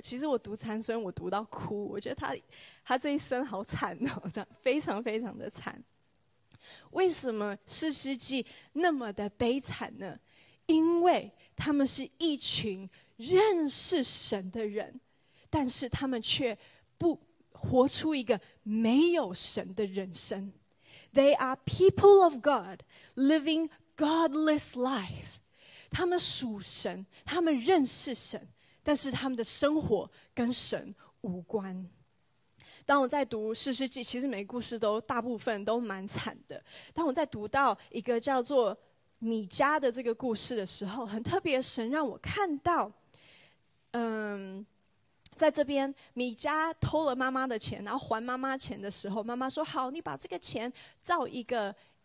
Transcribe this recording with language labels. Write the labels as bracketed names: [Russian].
[Chinese] 其实我读参孙，我读到哭，我觉得他这一生好惨哦，这样非常非常的惨。为什么士师记那么的悲惨呢？因为他们是一群认识神的人，但是他们却不活出一个没有神的人生。 [English] They are people of God living godless life. [Chinese] 他们属神，他们认识神，但是他们的生活跟神无关。当我在读士师记，其实每个故事都大部分都蛮惨的。当我在读到一个叫做米迦的这个故事的时候，很特别，神让我看到，在这边米迦偷了妈妈的钱，然后还妈妈钱的时候，妈妈说好，你把这个钱造一个